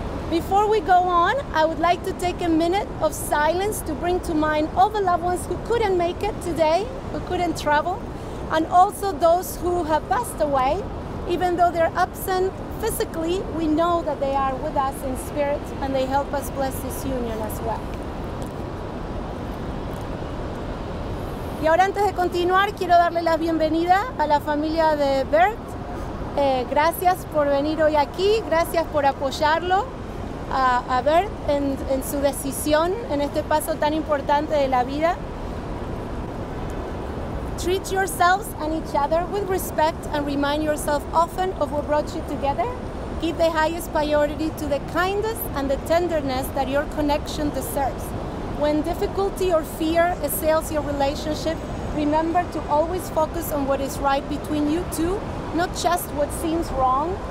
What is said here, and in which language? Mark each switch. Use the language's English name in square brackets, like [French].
[English] Before we go on, I would like to take a minute of silence to bring to mind all the loved ones who couldn't make it today, who couldn't travel, and also those who have passed away. Even though they're absent physically, we know that they are with us in spirit and they help us bless this union as well. [Spanish] Y ahora antes de continuar, quiero darle la bienvenida a la familia de Bert. Gracias por venir hoy aquí, gracias por apoyarlo a Bert en su decisión en este paso tan importante de la vida. [English] Treat yourselves and each other with respect and remind yourself often of what brought you together. Give the highest priority to the kindness and the tenderness that your connection deserves. When difficulty or fear assails your relationship, remember to always focus on what is right between you two, not just what seems wrong.